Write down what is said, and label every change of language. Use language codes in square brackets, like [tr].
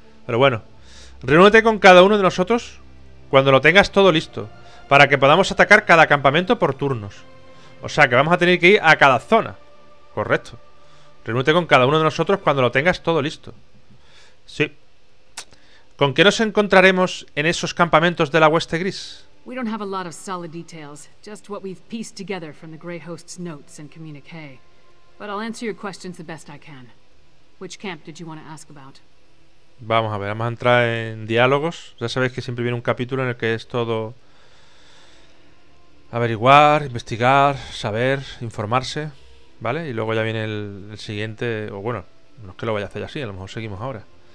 [es] Pero bueno, reúnete con cada uno de nosotros cuando lo tengas todo listo, para que podamos atacar cada campamento por turnos. O sea, que vamos a tener que ir a cada zona. Correcto. Reúnete con cada uno de nosotros cuando lo tengas todo listo. Sí. ¿Con qué nos encontraremos en esos campamentos de la hueste gris? [en] We don't have a lot of solid details, just what we've pieced together from the Grey Host's notes and communique. But I'll answer your questions the best I can. Which camp did you want to ask about? [es] Vamos a ver, vamos a entrar en diálogos. Ya sabéis que siempre viene un capítulo en el que es todo averiguar, investigar, saber, informarse, ¿vale? Y luego ya viene el siguiente, o bueno, no es que lo vaya a hacer así, a lo mejor seguimos ahora.